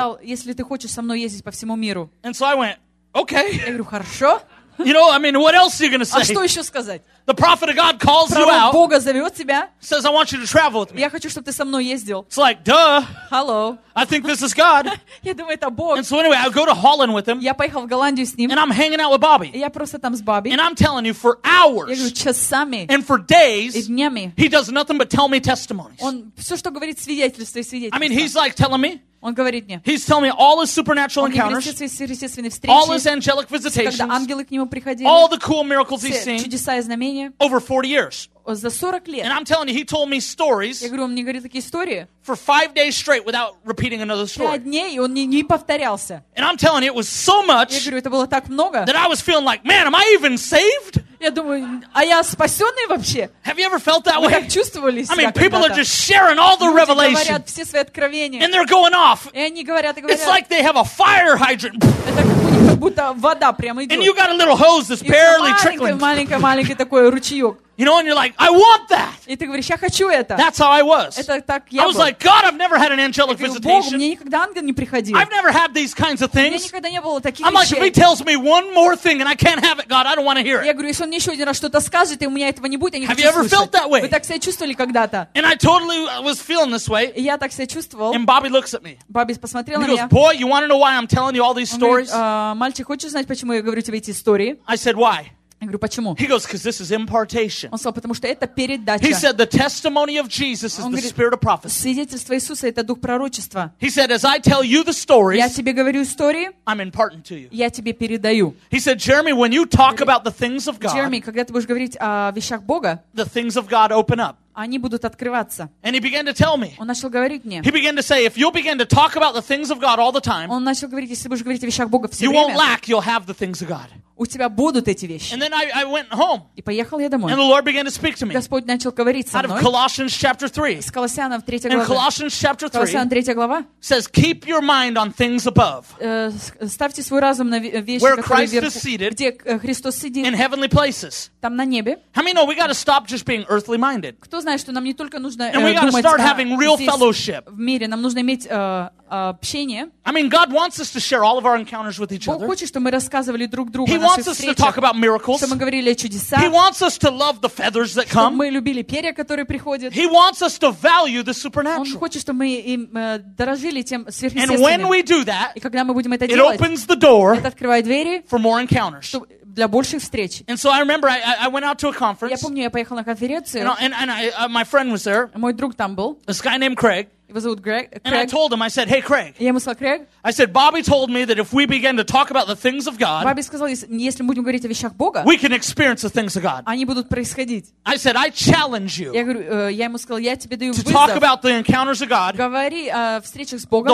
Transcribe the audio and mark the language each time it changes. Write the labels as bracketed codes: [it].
[ru] Он сказал, если ты хочешь со мной ездить по всему миру. [en] And so I went, "Okay." [ru] Я говорю, хорошо. [en] You know, I mean, what else are you going to say? [ru] А что еще сказать? [en] The prophet of God calls [ru] Пророк [en] you out. [ru] Бога зовет тебя. [en] Says, "I want you to travel with me." [ru] Я хочу, чтобы ты со мной ездил. [en] It's like, duh. Hello. I think this is God. [ru] Я думаю, это Бог. [en] And so anyway, I go to Holland with him. [ru] Я поехал в Голландию с ним. [en] And I'm hanging out with Bobby. [ru] Я просто там с Бобби. [en] And I'm telling you, for hours. [ru] Я говорю, часами. [en] And for days. [ru] И днями. [en] He does nothing but tell me testimonies. [ru] Он все, что говорит, свидетельство и свидетельство. [en] I mean, he's like telling me. [ru] Он говорит мне. [en] He's telling me all his supernatural encounters. [ru] Он говорит мне все свои сверхъестественные встречи. [en] All his angelic visitations. [ru] Когда ангелы к нему приходили. [en] All the cool miracles he's seen. [ru] Чудеса и знамения. [en] Over 40 years. [ru] За 40 лет. [en] And I'm telling you, he told me stories. [ru] Я говорю, он мне говорит такие истории. [en] For 5 days straight without repeating another story. [ru] 5 дней он не повторялся. [en] And I'm telling you, it was so much. [ru] Я говорю, это было так много. [en] That I was feeling like, man, am I even saved? [ru] Я думаю, а я спасенный вообще? [en] Have you ever felt that way? [ru] Вы как чувствовали себя? [en] I mean, people are just sharing all the revelation. [ru] Люди говорят все свои откровения. [en] And they're going off. [ru] И они говорят, и говорят. [en] It's like they have a fire hydrant. [ru] Это как будто вода прямо идет. [en] And you got a little hose that's barely trickling. [ru] Маленький такой ручеек. [en] You know, and you're like, I want that. [ru] И ты говоришь, я хочу это. [en] That's how I was. [ru] Это так я [en] был. I was like, God, I've never had an angelic visitation. [ru] Бог, мне никогда ангел не приходил. [en] I've never had these kinds of things. [ru] Мне никогда не было таких [en] вещей. I'm like, if he tells me one more thing and I can't have it, God, I don't want to hear it. [ru] Я говорю, если он мне еще один раз что-то скажет, и у меня этого не будет, я не хочу [en] слушать. Have you ever felt that way? [ru] Вы так себя чувствовали когда-то? [en] And I totally was feeling this way. [ru] Я так себя чувствовал. [en] And Bobby looks at me. [ru] Бобби посмотрел на меня. [en] He goes, boy, you want to know why I'm telling you all these stories? [ru] Мальчик, хочешь знать, почему я говорю тебе эти истории? [en] I said, why? [ru] Я говорю, почему? [en] He goes, because this is impartation. [ru] Он сказал, потому что это передача. [en] He said, the testimony of Jesus is the spirit of prophecy. [ru] Свидетельство Иисуса это дух пророчества. [en] He said, as I tell you the stories, [ru] я тебе говорю истории, [en] I'm imparting to you. [ru] Я тебе передаю. [en] He said, Jeremy, when you talk about the things of God, [ru] Jeremy, когда ты будешь говорить о вещах Бога, [en] the things of God open up. [ru] Они будут открываться. [en] And he began to tell me. [ru] Он начал говорить мне. [en] He began to say, if you'll begin to talk about the things of God all the time, [ru] он начал говорить, если будешь говорить о вещах Бога все время, [en] you won't lack, you'll have the things of God. [ru] У тебя будут эти вещи. [en] And then I went home. [ru] И поехал я домой. [en] And the Lord began to speak to me. [ru] Господь начал говорить со мной. [en] Out of Colossians chapter 3. [ru] Из Колоссянам 3 глава. [en] In Colossians chapter 3. [ru] Колоссянам 3 глава. [en] Says, keep your mind on things above. [ru] Ставьте свой разум на вещи, [en] where [ru] которые [en] Christ is seated, [ru] где Христос сидит. [en] In heavenly places. [ru] Там на небе. [en] How many know we got to stop just being earthly minded? [ru] Кто знает, что нам не только нужно [en] and [ru] думать. [en] And we got to start having real fellowship. [ru] В мире нам нужно иметь общение. [en] I mean, God wants us to share all of our encounters with each other. [ru] Бог хочет, чтобы мы рассказывали друг другу. [en] He wants us to talk about miracles. [ru] Чтобы мы говорили о чудесах. [en] He wants us to love the feathers that come. [ru] Чтобы мы любили перья, которые приходят. [en] He wants us to value the supernatural. [ru] Он хочет, чтобы мы дорожили тем сверхъестественным. [en] And when we do that, [ru] и когда мы будем это делать, [en] it opens the door for more encounters. [ru] Для больших встреч. [en] And so I remember I went out to a conference. [ru] Я помню, я поехал на конференцию. [en] And my friend was there. [ru] Мой друг там был. [en] This guy named Craig. [ru] Его зовут Грег. [en] And I told him, I said, "Hey, Craig." [ru] Я ему сказал, Крэг. [en] I said, "Bobby told me that if we begin to talk about the things of God." [ru] Бобби сказал, если мы будем говорить о вещах Бога. [en] We can experience the things of God. [ru] Они будут происходить. [en] I said, "I challenge you." [ru] Я говорю, я ему сказал, я тебе даю вызов. [en] To talk about the encounters of God. [ru] Говори о встречах с Богом.